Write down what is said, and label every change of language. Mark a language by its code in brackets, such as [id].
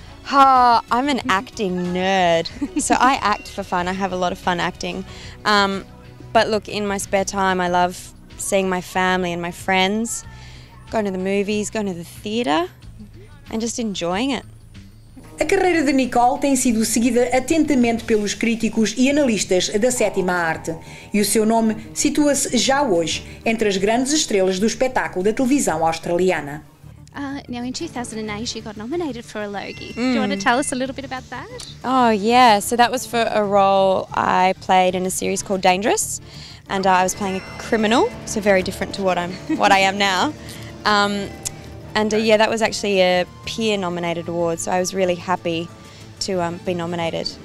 [en] Oh, I'm an acting nerd. So I act for fun. I have a lot of fun acting. But look, in my spare time, I love seeing my family and my friends, going to the movies, going to the theatre, and just enjoying it. [pt] A carreira de Nicole tem sido seguida atentamente pelos críticos e analistas da sétima arte. E o seu nome situa-se já hoje entre as grandes estrelas do espetáculo da televisão australiana. [en] Now, in 2008, you got nominated for a Logie. Mm. Do you want to tell us a little bit about that? Oh, yeah. So that was for a role I played in a series called Dangerous. And I was playing a criminal, so very different to what I am now. Yeah, that was actually a peer-nominated award, so I was really happy to be nominated.